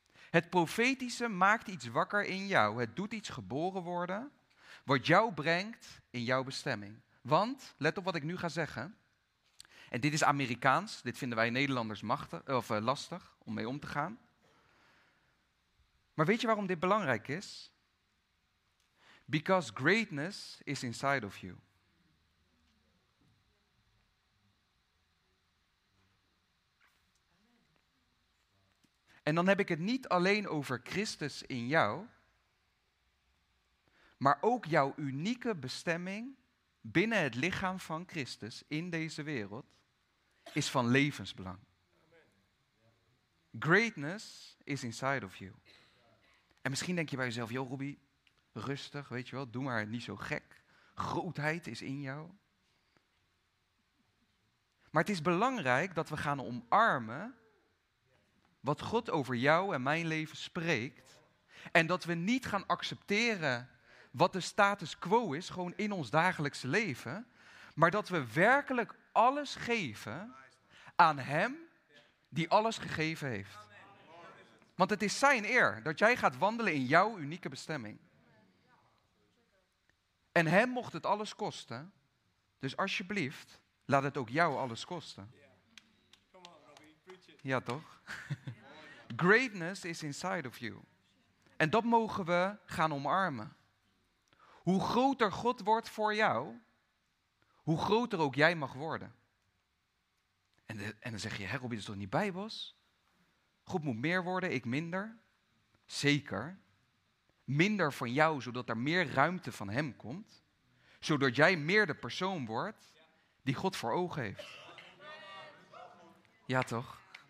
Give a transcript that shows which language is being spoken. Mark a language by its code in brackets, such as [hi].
[nl] Het profetische maakt iets wakker in jou. Het doet iets geboren worden, wat jou brengt in jouw bestemming. Want, let op wat ik nu ga zeggen, en dit is Amerikaans, dit vinden wij Nederlanders lastig om mee om te gaan. Maar weet je waarom dit belangrijk is? [en] Because greatness is inside of you. [nl] En dan heb ik het niet alleen over Christus in jou, maar ook jouw unieke bestemming binnen het lichaam van Christus in deze wereld is van levensbelang. [en] Greatness is inside of you. [nl] En misschien denk je bij jezelf, joh Robbie, rustig, weet je wel, doe maar niet zo gek. Grootheid is in jou. Maar het is belangrijk dat we gaan omarmen wat God over jou en mijn leven spreekt. En dat we niet gaan accepteren wat de status quo is, gewoon in ons dagelijkse leven. Maar dat we werkelijk alles geven aan Hem die alles gegeven heeft. Want het is zijn eer dat jij gaat wandelen in jouw unieke bestemming. En Hem mocht het alles kosten. Dus alsjeblieft, laat het ook jou alles kosten. Ja, toch? [en] Greatness is inside of you. [nl] En dat mogen we gaan omarmen. Hoe groter God wordt voor jou, hoe groter ook jij mag worden. En dan zeg je, hè Robbie, dat is toch niet bijbels? God moet meer worden, ik minder. Zeker. Minder van jou, zodat er meer ruimte van Hem komt. Zodat jij meer de persoon wordt die God voor ogen heeft. Ja, toch?